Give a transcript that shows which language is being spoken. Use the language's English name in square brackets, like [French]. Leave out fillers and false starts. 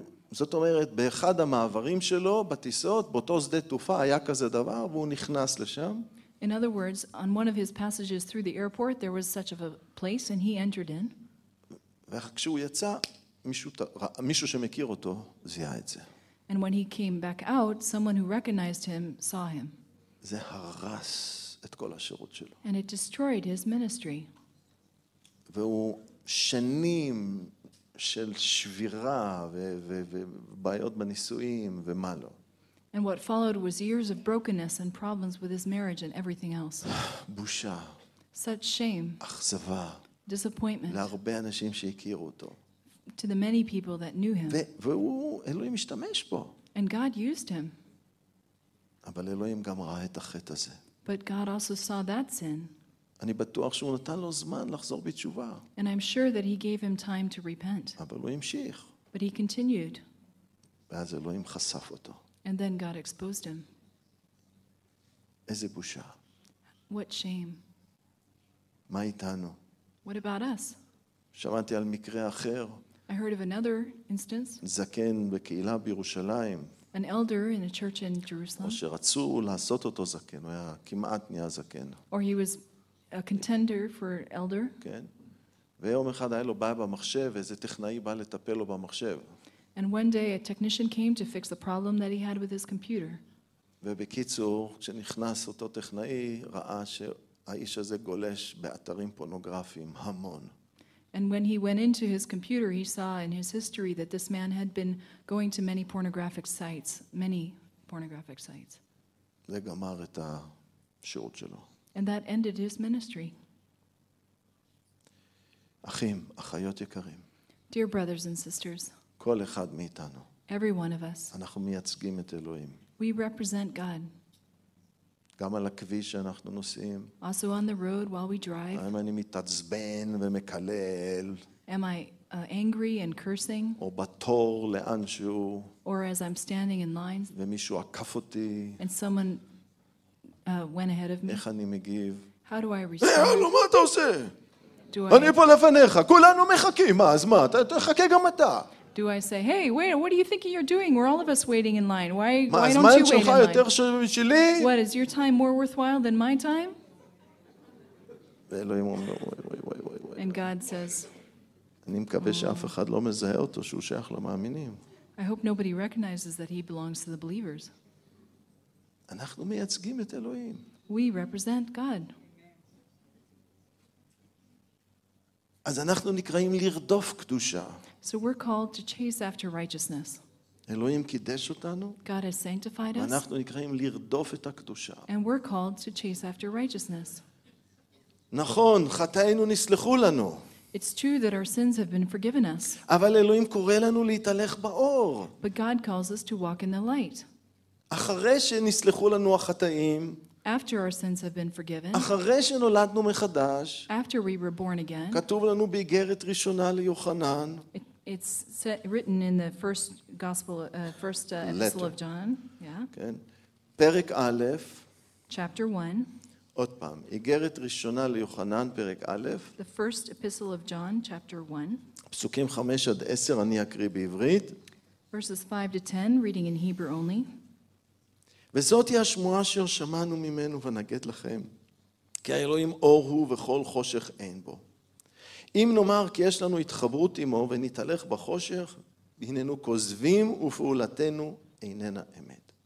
[Hebrew] זאת אומרת, באחד המעברים שלו, בטיסות, באותו שדה תעופה, היה כזה דבר, והוא נכנס לשם. [English] In other words, on one of his passages through the airport, there was such of a place, and he entered in. [Hebrew] וכשהוא יצא, מישהו שמכיר אותו, זיהה את זה. [English] And when he came back out, someone who recognized him saw him. [Hebrew] זה הרס את כל השירות שלו. [English] And it destroyed his ministry. [Hebrew] והוא שנים של שבירה ובעיות בנישואים ומה לא. [English] And what followed was years of brokenness and problems with his marriage and everything else. [Hebrew] בושה. [English] Such shame. [Hebrew] אכזבה. [English] Disappointment. [Hebrew] להרבה אנשים שהכירו אותו. [English] To the many people that knew him. [Hebrew] אלוהים השתמש בו. [English] And God used him. [Hebrew] אבל אלוהים גם ראה את החטא הזה. [English] But God also saw that sin. [Hebrew] אני בטוח שהוא נתן לו זמן לחזור בתשובה. [English] And I'm sure that he gave him time to repent. [Hebrew] אבל הוא המשיך. [English] But he continued. [Hebrew] ואז אלוהים חשף אותו. [English] And then God exposed him. [Hebrew] איזה בושה. [English] What shame. [Hebrew] מה איתנו? [English] What about us? [Hebrew] שמעתי על מקרה אחר. [English] I heard of another instance. [Hebrew] זקן בקהילה בירושלים. [English] An elder in a church in Jerusalem. [Hebrew] או שרצו לעשות אותו זקן, הוא היה כמעט נהיה זקן. [English] Or he was a contender for elder. [Hebrew] כן. ויום אחד היה לו בעיה במחשב, איזה טכנאי בא לטפל לו במחשב. [English] And one day a technician came to fix the problem that he had with his computer. [Hebrew] ובקיצור, כשנכנס אותו טכנאי, ראה שהאיש הזה גולש באתרים פורנוגרפיים המון. [English] And when he went into his computer, he saw in his history that this man had been going to many pornographic sites, many pornographic sites. [Hebrew] זה גמר את השירות שלו. [English] And that ended his ministry. [Hebrew] אחים, אחיות יקרים. [English] Dear brothers and sisters. [Hebrew] כל אחד מאיתנו. [English] Every one of us. [Hebrew] אנחנו מייצגים את אלוהים. [English] We represent God. [Hebrew] גם על הכביש שאנחנו נוסעים. [English] Also on the road while we drive. [Hebrew] האם אני מתעצבן ומקלל? [English] Am I angry and cursing? [Hebrew] או בתור לאנשהו? [English] Or as I'm standing in lines. [Hebrew] ומישהו עקף אותי? [English] And someone went ahead of me. [Hebrew] איך אני מגיב? [English] How do I respond? [Hebrew] הלו, מה אתה עושה? אני פה לפניך, כולנו מחכים, אז מה? תחכה גם אתה. [English] Do I say, hey, wait, what do you think you're doing? We're all of us waiting in line. Why don't you wait in line? [Hebrew] מה, הזמן שלך יותר משלי? [English] What, is your time more worthwhile than my time? [Hebrew] ואלוהים אומר, וואי. [English] And God says, [Hebrew] אני מקווה שאף אחד לא מזהה אותו שהוא שייך למאמינים. [English] I hope nobody recognizes that he belongs to the believers. [Hebrew] אנחנו מייצגים את אלוהים. [English] We represent God. [Hebrew] אז אנחנו נקראים לרדוף קדושה. [English] So we're called to chase after righteousness. [Hebrew] אלוהים קידש אותנו. [English] God has sanctified us. [Hebrew] ואנחנו נקראים לרדוף את הקדושה. [English] And we're called to chase after righteousness. [Hebrew] נכון, חטאינו נסלחו לנו. [English] It's true that our sins have been forgiven us. [Hebrew] אבל אלוהים קורא לנו להתהלך באור. [English] But God calls us to walk in the light. [Hebrew] אחרי שנסלחו לנו החטאים, [English] after our sins have been forgiven, [Hebrew] אחרי שנולדנו מחדש, [English] after we were born again, [Hebrew] כתוב לנו באיגרת ראשונה ליוחנן, [English] it's set, written in the first gospel, first epistle of John, yeah, [Hebrew] כן, פרק א', [English] chapter 1, [Hebrew] עוד פעם, איגרת ראשונה ליוחנן, פרק א', [English] the first epistle of John, chapter 1, [Hebrew] פסוקים 5 עד 10, אני אקריא בעברית, [English] verses 5 to 10, reading in Hebrew only, [Hebrew] וזאת היא השמועה אשר שמענו ממנו ונגד לכם, כי האלוהים אור הוא וכל חושך אין בו. אם נאמר כי יש לנו התחברות עמו ונתהלך בחושך, הננו כוזבים ופעולתנו איננה אמת.